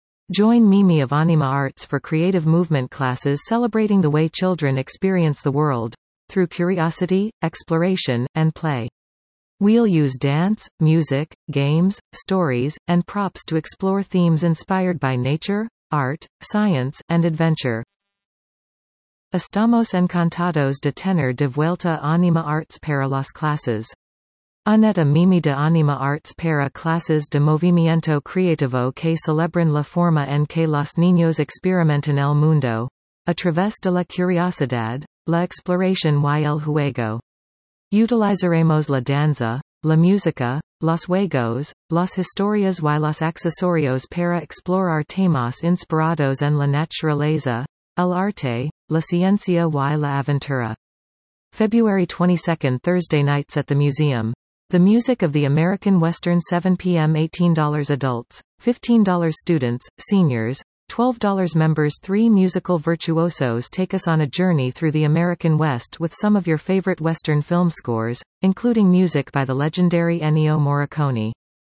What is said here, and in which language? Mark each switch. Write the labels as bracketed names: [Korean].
[English] Join Mimi of Anima Arts for creative movement classes celebrating the way children experience the world, through curiosity, exploration, and play. We'll use dance, music, games, stories, and props to explore themes inspired by nature, art, science, and adventure. [Spanish] Estamos encantados de tener de vuelta Anima Arts para las clases. Aneta Mimi de Anima Arts para clases de movimiento creativo que celebran la forma en que los niños experimentan el mundo. A través de la curiosidad, la exploración y el juego. Utilizaremos la danza, la música, los juegos, las historias y los accesorios para explorar temas inspirados en la naturaleza, el arte, la ciencia y la aventura. [English] February 22, Thursday nights at the museum. The Music of the American Western, 7 p.m. $18 adults, $15 students, seniors, $12 members. 3 musical virtuosos take us on a journey through the American West with some of your favorite Western film scores, including music by the legendary Ennio Morricone.